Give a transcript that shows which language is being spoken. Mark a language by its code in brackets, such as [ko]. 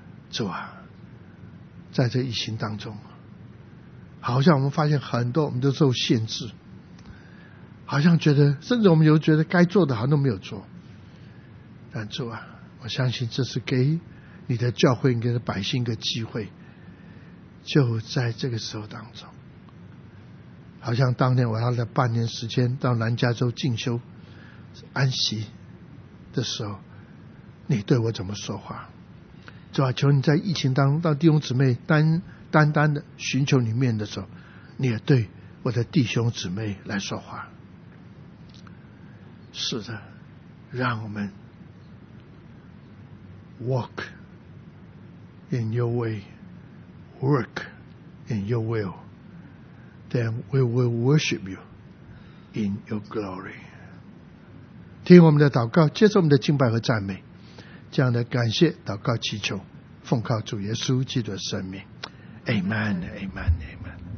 [zh] 主啊，在这疫情当中，好像我们发现很多我们都受限制，好像觉得甚至我们有觉得该做的好像都没有做，但主啊，我相信这是给你的教会，给你的百姓一个机会，就在这个时候当中，好像当年我花了半年时间到南加州进修安息的时候，你对我怎么说话。主啊，求你在疫情当中到弟兄姊妹单单的寻求你面的时候，你也对我的弟兄姊妹来说话。是的，让我们 [en] walk in your way, work in your will, then we will worship you in your glory. [zh] 听我们的祷告，接受我们的敬拜和赞美，这样的感谢祷告祈求，奉靠主耶稣基督的圣名， Amen, Amen, Amen.